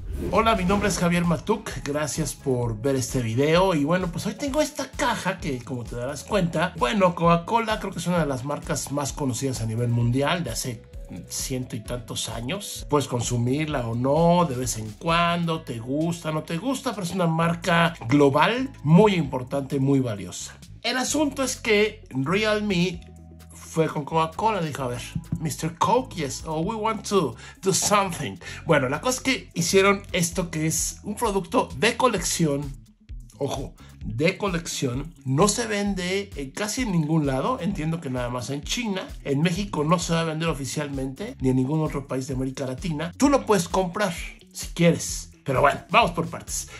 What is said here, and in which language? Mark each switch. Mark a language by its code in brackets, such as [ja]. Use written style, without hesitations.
[es] Hola, mi nombre es Javier Matuk, gracias por ver este video y bueno, pues hoy tengo esta caja que, como te darás cuenta, bueno, Coca-Cola creo que es una de las marcas más conocidas a nivel mundial de hace ciento y tantos años. Puedes consumirla o no, de vez en cuando, te gusta, no te gusta, pero es una marca global muy importante, muy valiosa. El asunto es que Realme fue con Coca-Cola, dijo, a ver, Mr. [en] Coke, yes, oh, we want to do something. [es] Bueno, la cosa es que hicieron esto que es un producto de colección, ojo, de colección, no se vende en casi en ningún lado, entiendo que nada más en China, en México no se va a vender oficialmente, ni en ningún otro país de América Latina. Tú lo puedes comprar si quieres, pero bueno, vamos por partes.